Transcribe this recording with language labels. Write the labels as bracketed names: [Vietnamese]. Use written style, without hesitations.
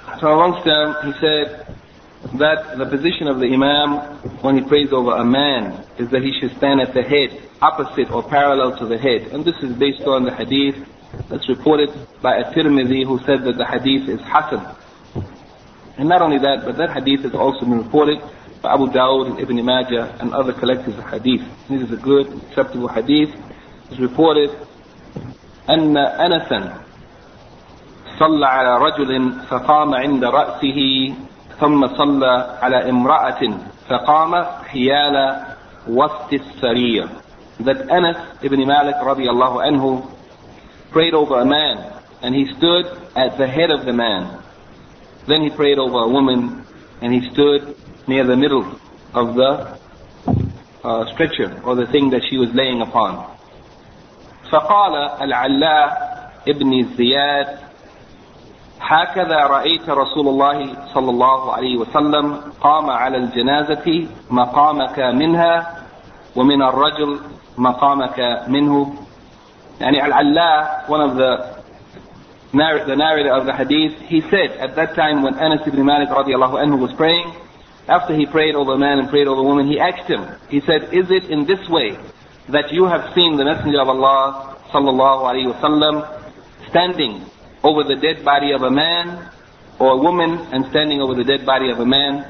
[English] So amongst them, he said that the position of the imam when he prays over a man is that he should stand at the head, opposite or parallel to the head. And this is based on the hadith that's reported by At-Tirmidhi, who said that the hadith is hasan. And not only that, but that hadith has also been reported by Abu Dawud and Ibn Majah and other collectors of hadith. This is a good, acceptable hadith. It's reported, [Arabic] أَنَّ أَنَثًا صلى على رجل فقام عند رأسه ثم صلى على امرأة فقام حيال وسط السرير. [English] That Anas ibn Malik radiallahu anhu prayed over a man, and he stood at the head of the man. Then he prayed over a woman, and he stood near the middle of the stretcher, or the thing that she was laying upon. [Arabic] فقال العلاه ابن زياد هكذا رأيت رسول الله صلى الله عليه وسلم قام على الجنازة مقامك منها ومن الرجل مقامك منه. يعني العلاه, [English] one of the narrator of the hadith, he said at that time when Anas ibn Malik radiallahu anhu was praying, after he prayed over a man and prayed over a woman, he asked him, he said, is it in this way that you have seen the Messenger of Allah صلى الله عليه وسلم standing over the dead body of a man or a woman and standing over the dead body of a man?